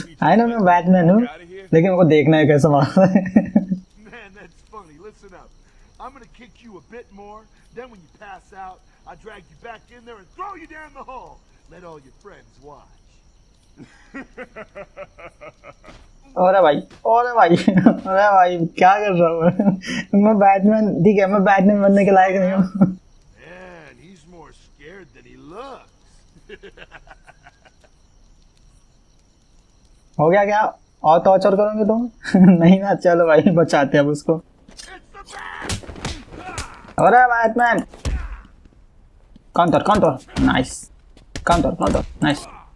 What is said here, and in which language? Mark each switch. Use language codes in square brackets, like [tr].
[en] I know [hi] मैं Batman हूँ, लेकिन मेरे को देखना है कैसा मार रहा है। [en] Man, that's funny. Listen up. I'm gonna kick you a bit more. Then when you pass out, I drag you back in there and throw you down the hall. Let all your friends watch. [hi] अरे भाई क्या कर रहा हूँ मैं Batman, ठीक है, मैं बैटमैन बनने के लायक नहीं हूँ। [en] Man, he's more scared than he looks. [hi] हो गया क्या, और टॉर्चर करोगे तुम? नहीं ना, चलो भाई बचाते हैं अब उसको। अरे बैटमैन, काउंटर नाइस।